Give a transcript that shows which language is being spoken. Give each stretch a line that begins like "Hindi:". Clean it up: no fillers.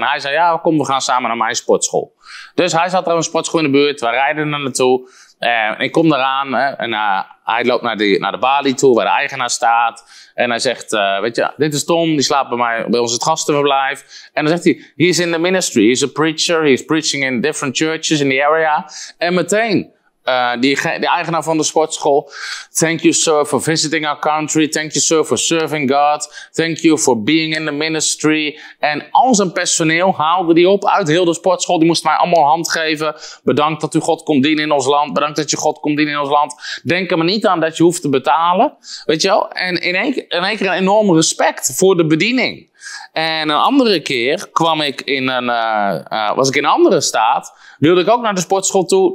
Dutch: En hij zei, ja, kom, we gaan samen naar mijn sportschool. Dus hij zat er op een sportschool in de buurt. We rijden er naartoe. Ik kom eraan hij loopt naar de balie toe waar de eigenaar staat. En hij zegt, weet je, dit is Tom, die slaapt bij ons het gastenverblijf. En dan zegt hij,
English: he is in the ministry, he is a preacher, he is preaching in different churches in the area.
Dutch: En meteen, die eigenaar van de sportschool,
English: thank you sir for visiting our country, thank you sir for serving God, thank you for being in the ministry.
Dutch: En al zijn personeel haalde die op uit heel de sportschool, die moest mij allemaal hand geven. Bedankt dat u God komt dienen in ons land, bedankt dat je God komt dienen in ons land. Denk er maar niet aan dat je hoeft te betalen, weet je wel. En in één keer een enorm respect voor de bediening. En een andere keer kwam ik in was ik in een andere staat, wilde ik ook naar de sportschool toe.